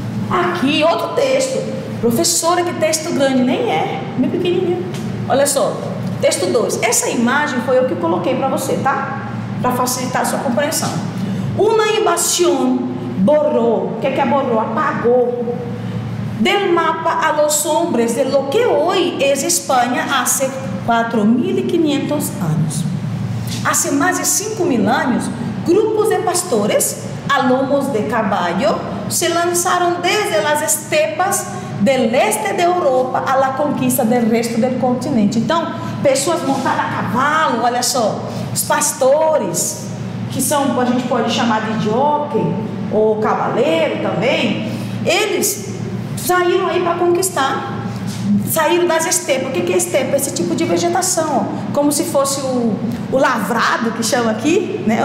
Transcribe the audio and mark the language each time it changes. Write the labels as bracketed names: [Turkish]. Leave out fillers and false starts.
[Portuguese] Aqui, outro texto. Professora, que texto grande, nem é, meio pequenininho. Olha só, texto 2. Essa imagem foi eu que coloquei para você, tá? Para facilitar a sua compreensão. [Spanish] Una invasión borrou, [Portuguese] o que é borrou? Apagou. [Spanish] Del mapa a los hombres de lo que hoy es España hace 4.500 años. Hace más de 5.000 años, grupos de pastores a lomos de caballo se lanzaron desde las estepas del este de Europa a la conquista del resto del continente. [Portuguese] Então, pessoas montadas a cavalo, olha só, os pastores, que são, a gente pode chamar de jockey, o cavaleiro também, eles saíram aí para conquistar, saíram das estepas. O que é estepa? Esse tipo de vegetação, ó. Como se fosse o lavrado, que chama aqui, né?